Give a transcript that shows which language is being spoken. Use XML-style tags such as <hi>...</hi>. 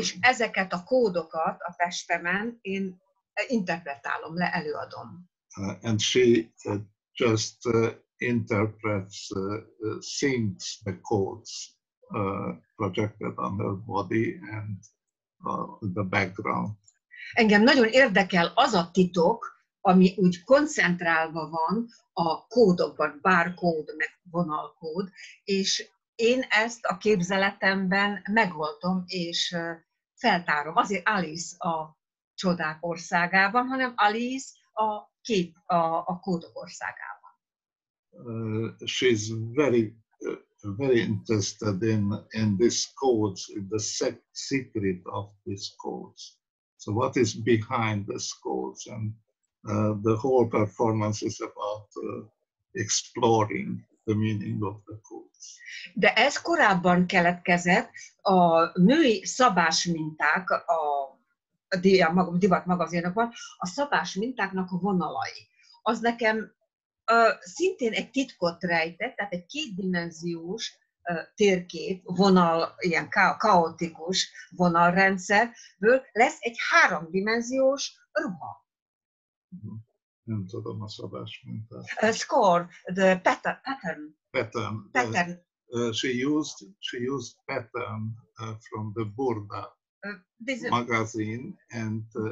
<hu>És ezeket a kódokat a testemen én interpretálom, leelőadom.</hu> <en>And she just interprets, sings the codes projected on her body and the background.</en> <hu>Engem nagyon érdekel az a titok, ami úgy koncentrálva van a kódokban, bárkód, meg vonalkód, és én ezt a képzeletemben megoldom, és feltárom. Azért Alice a csodák országában, hanem Alice a kép, a kódok országában.</hu> <en>She's very, very interested in these codes, in the secret of these codes. So what is behind these codes? And the whole performance is about exploring the meaning of the codes.</en> <hu>De ez korábban keletkezett, a női szabás minták, a divat magazinokban, a szabás mintáknak a vonalai. Az nekem szintén egy titkot rejtett, tehát egy kétdimenziós térkép, vonal, ilyen kaotikus vonalrendszerből lesz egy háromdimenziós ruha. Nem tudom a szabás mintát.</hu> <en>Score, the pattern. Pattern. She used pattern from the Burda magazine and</en>